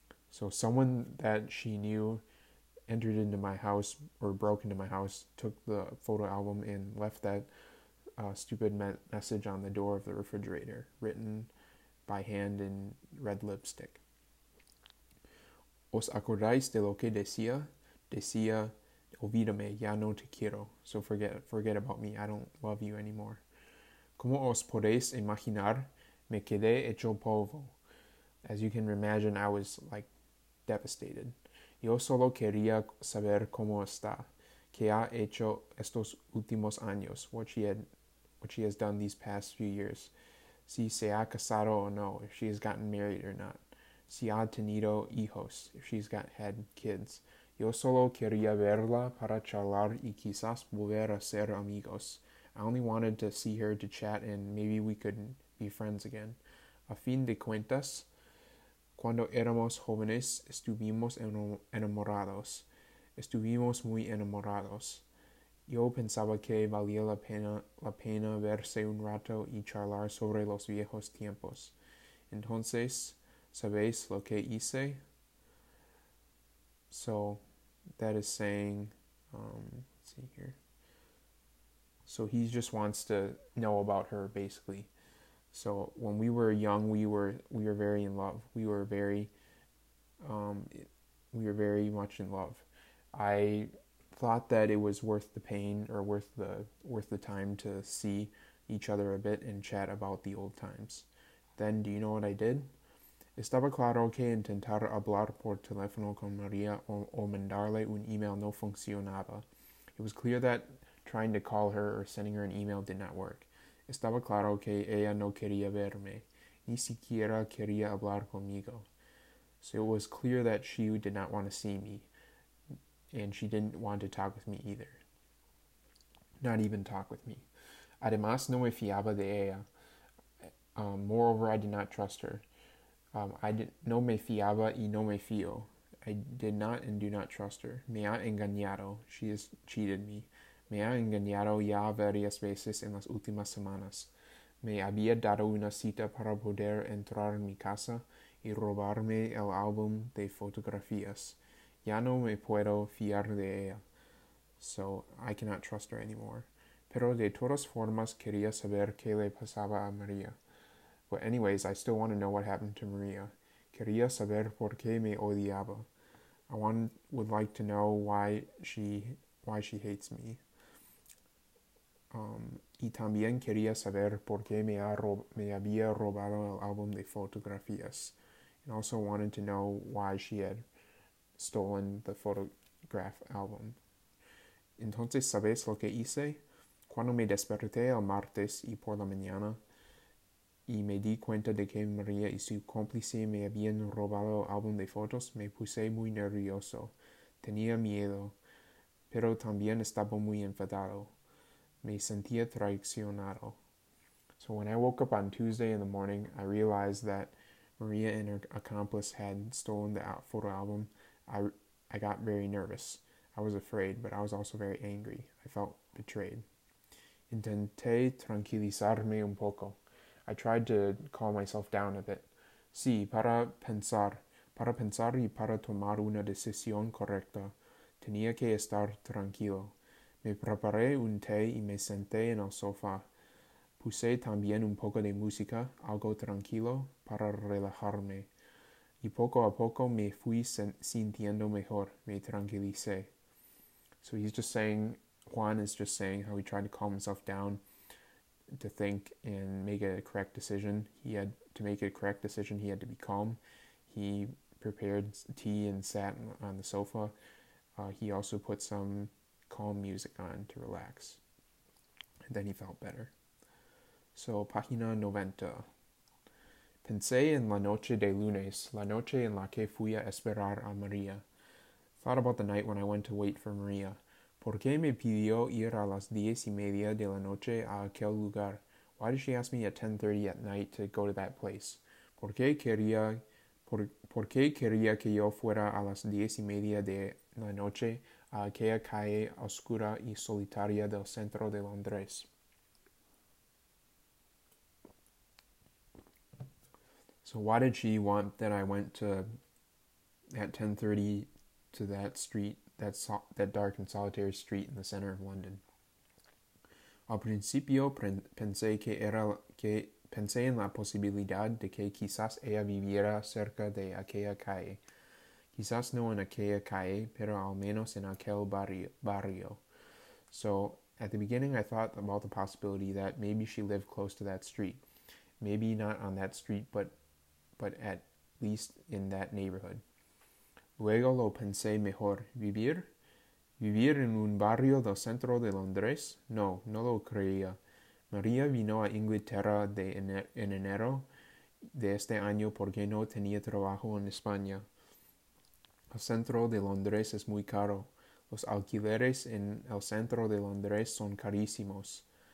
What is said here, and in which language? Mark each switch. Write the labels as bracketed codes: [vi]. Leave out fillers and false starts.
[en] So someone that she knew entered into my house or broke into my house, took the photo album and left that stupid message on the door of the refrigerator, written by hand in red lipstick. [es] ¿Os acordáis de lo que decía? Decía, olvídame, ya no te quiero. [en] So forget about me, I don't love you anymore. [es] Como os podéis imaginar, me quedé hecho polvo. [en] As you can imagine, I was like devastated. [es] Yo solo quería saber cómo está, qué ha hecho estos últimos años, [en] what she has done these past few years, [es] si se ha casado o no, [en] if she has gotten married or not, [es] si ha tenido hijos, [en] if she's had kids. [es] Yo solo quería verla para charlar y quizás volver a ser amigos. [en] I only wanted to see her to chat and maybe we could be friends again. [es] A fin de cuentas, cuando éramos jóvenes, estuvimos enamorados. Estuvimos muy enamorados. Yo pensaba que valía la pena verse un rato y charlar sobre los viejos tiempos. Entonces, ¿sabéis lo que hice? [en] So that is saying, let's see here. So he just wants to know about her, basically. So when we were young, we were very in love. We were very much in love. I thought that it was worth the pain or worth the time to see each other a bit and chat about the old times. Then, do you know what I did? [es] Estaba claro que intentar hablar por teléfono con María o mandarle un email no funcionaba. [en] It was clear that trying to call her or sending her an email did not work. [es] Estaba claro que ella no quería verme, ni siquiera quería hablar conmigo. [en] So it was clear that she did not want to see me, and she didn't want to talk with me either. Not even talk with me. [es] Además, no me fiaba de ella. [en] Moreover, I did not trust her. I did, [es] no me fiaba y no me fío. [en] I did not and do not trust her. [es] Me ha engañado. [en] She has cheated me. [es] Me ha engañado ya varias veces en las últimas semanas. Me había dado una cita para poder entrar en mi casa y robarme el álbum de fotografías. Ya no me puedo fiar de ella. [en] So I cannot trust her anymore. [es] Pero de todas formas quería saber qué le pasaba a María. [en] But anyways, I still want to know what happened to María. [es] Quería saber por qué me odiaba. [en] Would like to know why she hates me. [es] Y también quería saber por qué me había robado el álbum de fotografías. [en] And also wanted to know why she had stolen the photograph album. [es] Entonces, ¿sabes lo que hice? Cuando me desperté el martes y por la mañana y me di cuenta de que María y su cómplice me habían robado el álbum de fotos, me puse muy nervioso. Tenía miedo, pero también estaba muy enfadado. Me sentía traicionado. [en] So when I woke up on Tuesday in the morning, I realized that María and her accomplice had stolen the photo album. I got very nervous. I was afraid, but I was also very angry. I felt betrayed. [es] Intenté tranquilizarme un poco. [en] I tried to calm myself down a bit. [es] Sí, para pensar y para tomar una decisión correcta, tenía que estar tranquilo. Me preparé un té y me senté en el sofá. Puse también un poco de música, algo tranquilo, para relajarme. Y poco a poco me fui sintiendo mejor, me tranquilicé. [en] So he's just saying, Juan is just saying how he tried to calm himself down to think and make a correct decision. He had to be calm. He prepared tea and sat on the sofa. He also put some calm music on to relax. And then he felt better. [es] So, página 90. Pensé en la noche de lunes, la noche en la que fui a esperar a María. [en] Thought about the night when I went to wait for María. [es] ¿Por qué me pidió ir a las 10:30 de la noche a aquel lugar? [en] Why did she ask me at 10:30 at night to go to that place? [es] ¿Por qué quería que yo fuera a las 10:30 de la noche a aquella calle oscura y solitaria del centro de Londres? [en] So why did she want that I went to at 10:30 to that street, that dark and solitary street in the center of London? [es] Al principio pensé en la posibilidad de que quizás ella viviera cerca de aquella calle. Quizás no en aquella calle, pero al menos en aquel barrio. [en] So at the beginning, I thought about the possibility that maybe she lived close to that street. Maybe not on that street, but at least in that neighborhood. [es] Luego lo pensé mejor. ¿Vivir en un barrio del centro de Londres? No, no lo creía. María vino a Inglaterra en enero de este año porque no tenía trabajo en España. El centro de Londres es muy caro. Los alquileres en el centro de Londres son carísimos.